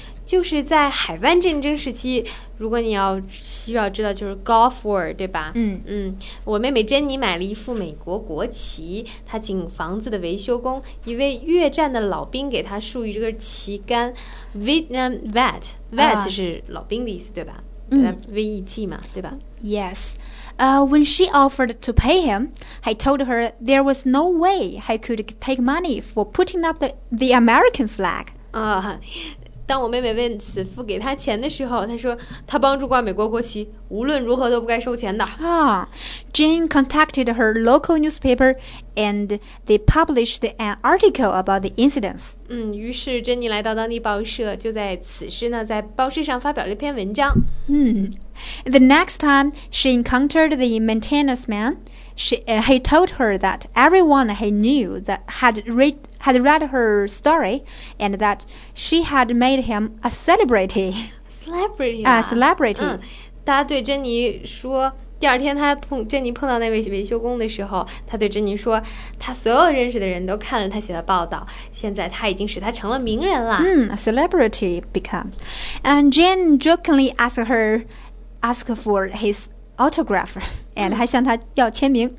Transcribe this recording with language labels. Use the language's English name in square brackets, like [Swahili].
[Chinese] 就是在海湾战争时期，如果你要需要知道，就是 [English] Gulf War， [Chinese] 对吧？我妹妹珍妮买了一副美国国旗，她请房子的维修工，一位越战的老兵给她竖一个旗杆 ， [English] Vietnam vet [Chinese] 是老兵的意思，对吧？ VET 嘛，对吧 [English] ？Yes. When she offered to pay him, I told her there was no way I could take money for putting up the American flag. [Chinese] 当我妹妹问此付给她钱的时候，她说她帮助挂美国国旗，无论如何都不该收钱的。 [English] Jane contacted her local newspaper and they published an article about the incidents. [Chinese] 于是珍妮来到当地报社，就在此时呢，在报社上发表了一篇文章。 [English] The next time she encountered the maintenance man, he told her that everyone he knew that had read her story and that she had made him a celebrity. Celebrity? A celebrity. [Chinese] 大家对珍妮说第二天他碰珍妮碰到那位维修工的时候他对珍妮说他所有认识的人都看了他写的报道现在他已经使他成了名人了。 [English] A celebrity become. And Jane jokingly asked for his autograph, and [Chinese] 还向他要签名。